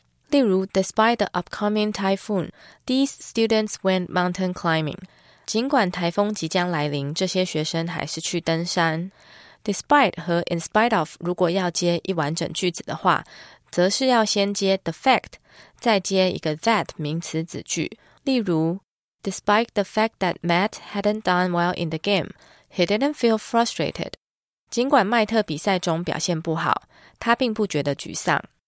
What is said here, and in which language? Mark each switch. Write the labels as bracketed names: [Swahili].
[Chinese] 例如 [English] ,despite the upcoming typhoon, these students went mountain climbing. [Chinese] 尽管台风即将来临，这些学生还是去登山。 Despite 和 in spite of 如果要接一完整句子的话，则是要先接 the fact, 再接一个 that 名词子句。例如 [English] Despite the fact that Matt hadn't done well in the game, he didn't feel frustrated. [Chinese] 尽管麦特比赛中表现不好，他并不觉得沮丧。